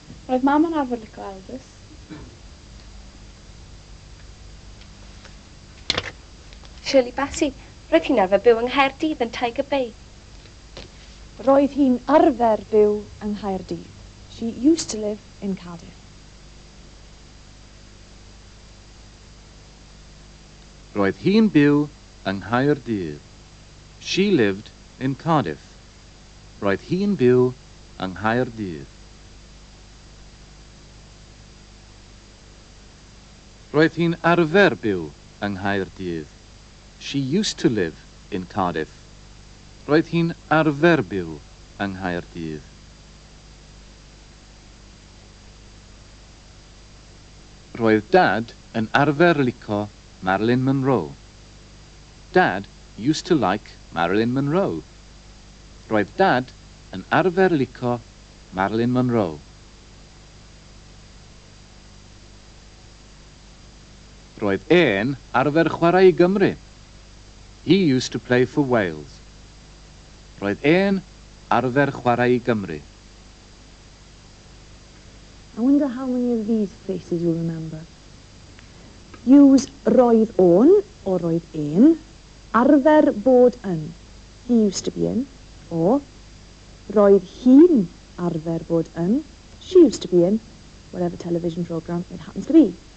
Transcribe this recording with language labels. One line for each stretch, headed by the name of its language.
Welsh: Roedd mam yn arfer lico Elvis. Shirley Bassey, roedd hi'n arfer byw yng Nghaerdydd yn Tiger Bay. Roedd hi'n arfer byw yng Nghaerdydd.
English: She used to live in Cardiff.
Welsh: Roedd hi'n byw yng Nghaerdydd.
English: She lived in Cardiff.
Welsh: Roedd hi'n byw yng Nghaerdydd. Roedd hi'n arfer byw yng Nghaerdydd.
English: She used to live in Cardiff.
Welsh: Roedd hi'n arfer byw yng Nghaerdydd. roedd Dad yn arfer lico Marilyn Monroe.
English: Dad used to like Marilyn Monroe.
Welsh: Roedd Dad yn arfer lico Marilyn Monroe. Roedd Ian arfer chwarae I Gymru.
English: He used to play for Wales.
Welsh: Roedd Ian arfer chwarae I Gymru.
English: I wonder how many of these faces you'll remember. Use
Welsh: roedd o'n,
English: or
Welsh: roedd ein, arfer bod yn.
English: He used to be in.
Welsh: Or roedd hi'n arfer bod yn.
English: She used to be in. Whatever television program it happens to be.